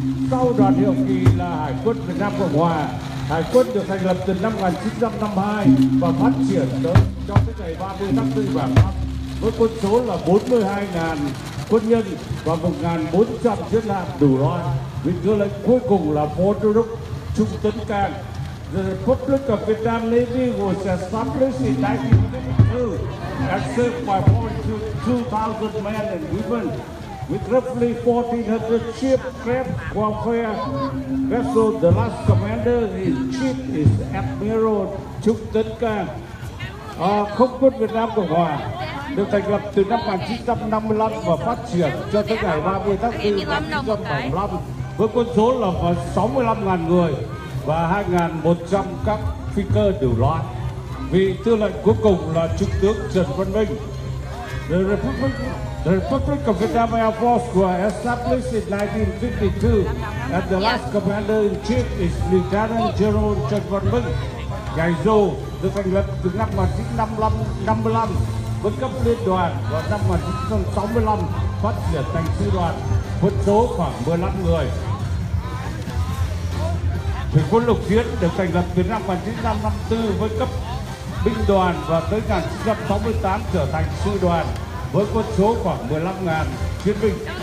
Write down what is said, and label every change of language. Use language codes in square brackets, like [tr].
[vi] Sau đoàn lữ hậu kỳ là Hải quân Việt Nam Cộng Hòa. Hải quân được thành lập từ năm 1952 và phát triển tới cho tới ngày 30 tháng 4 và năm với quân số là 42.000 quân nhân và 1.400 chiến hạm đủ loại. Vị tướng lệnh cuối cùng là Phó Tư lệnh Trung Tấn Cang. [en] The Republic of Vietnam Navy was established in 1952 and served by more than 2,000 men and women, with roughly 1,400 ship craft warfare vessels. The last commander in chief is Admiral Trung Tấn Cang. [vi] Không quân Việt Nam Cộng Hòa được thành lập từ năm 1955 và phát triển cho tới ngày 30 tháng 4 năm 1975 với quân số là 65.000 người và 2.100 các phi cơ đủ loại. Vị tư lệnh cuối cùng là Trung tướng Trần Văn Minh. [en] The Republic of Vietnam Air Force was established in 1952 and the last commander-in-chief is Lieutenant General Trần Văn Minh. [vi] Ngày dù được thành lập từ năm 1955 với cấp liên đoàn và năm 1965 phát triển thành sư đoàn, quân số khoảng 15 người. Thủy quân lục chiến được thành lập từ năm 1954 với cấp binh đoàn và tới 1968 trở thành sư đoàn với quân số khoảng 15.000 chiến binh.